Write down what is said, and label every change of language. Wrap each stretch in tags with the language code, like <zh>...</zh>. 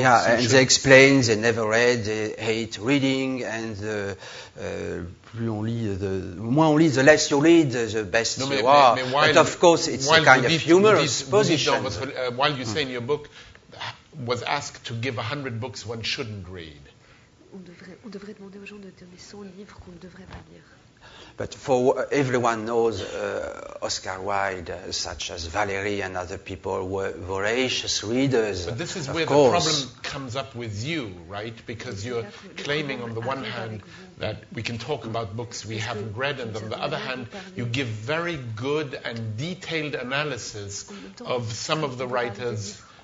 <en>Yeah, and they explain they never read, they hate reading, and the less you read, the best you are.</en> <fr>Mais</fr> <en>but of course, it's Wilde a kind of humorous position. Wilde, you say in your book, was asked to give 100 books one shouldn't read.</en> <fr>On devrait demander aux gens de donner 100 livres qu'on ne devrait pas lire.</fr> <en>But for everyone knows Oscar Wilde, such as Valérie and other people, were voracious readers. But this is where course. The problem comes up with you, right? Because you're claiming on the one hand that we can talk about books we haven't read, and on the other hand, you give very good and detailed analysis of some of the writers.</en>